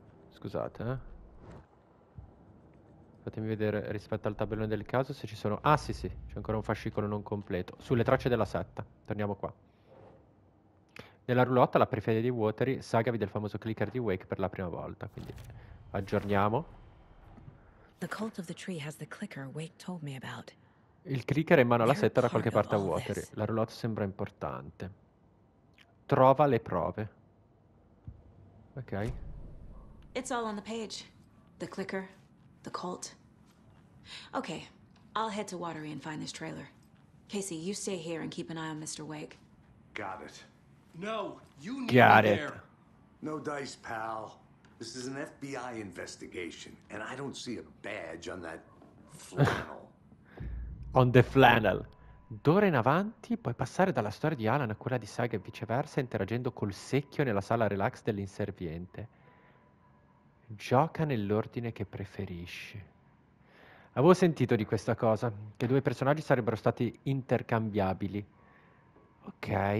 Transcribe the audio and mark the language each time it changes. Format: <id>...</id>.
<it>Scusate, Fatemi vedere rispetto al tabellone del caso se ci sono... Ah, sì, c'è ancora un fascicolo non completo. Sulle tracce della setta. Torniamo qua. Nella roulotte alla periferia di Watery, Saga vide il famoso clicker di Wake per la prima volta. Quindi, aggiorniamo.</it> <en>The cult of the tree has the clicker Wake told me about.</en> <it>Il clicker è in mano alla setta da qualche parte a Watery. La roulotte sembra importante. Trova le prove. Ok.</it> <en>It's all on the page. The clicker... The cult. Okay, I'll head to Watery and find this trailer. Casey, you stay here and keep an eye on Mr. Wake. Got it. No, you need me there. No dice, pal. This is an FBI investigation, and I don't see a badge on that flannel. On the flannel.</en> <it>D'ora in avanti puoi passare dalla storia di Alan a quella di Saga e viceversa interagendo col secchio nella sala relax dell'inserviente. Gioca nell'ordine che preferisci. Avevo sentito di questa cosa, che due personaggi sarebbero stati intercambiabili. Ok.</it>